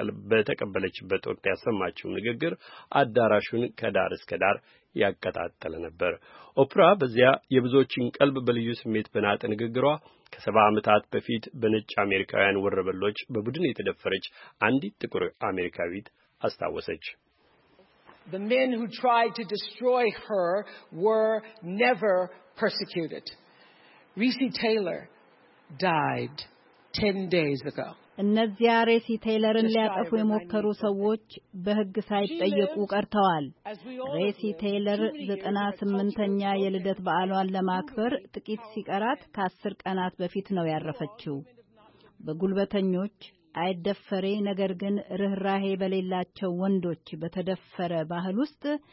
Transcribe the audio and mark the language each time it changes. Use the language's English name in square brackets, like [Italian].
[Amharic] በተቀበለችበት ወቅት ያሰማችው ንግግር አዳራሹን ከዳር እስከ ዳር ያቀጣጠለ ነበር። ኦፕራ በዚያ የብዙዎችን ቀልብ በልዩ ስሜት በናጠ ንግግሯ ከሰባ ዓመታት በፊት በነጭ አሜሪካውያን ወረበሎች በቡድን የተደፈረች አንዲት ጥቁር አሜሪካዊት አስታወሰች። [English] The men who tried to destroy her were never persecuted. Reese Taylor died 10 days ago. [Amharic] እነዚያ ሬሲ ቴይለርን ሊያጠፉ የሞከሩ ሰዎች በሕግ ሳይጠየቁ ቀርተዋል። ሬሲ ቴይለር 98ኛ የልደት በዓሏን ለማክበር ጥቂት ሲቀራት ከ10 ቀናት በፊት ነው ያረፈችው። በጉልበተኞች አይደፈሬ ነገር ግን ርህራሄ በሌላቸው ወንዶች በተደፈረ ባህል ውስጥ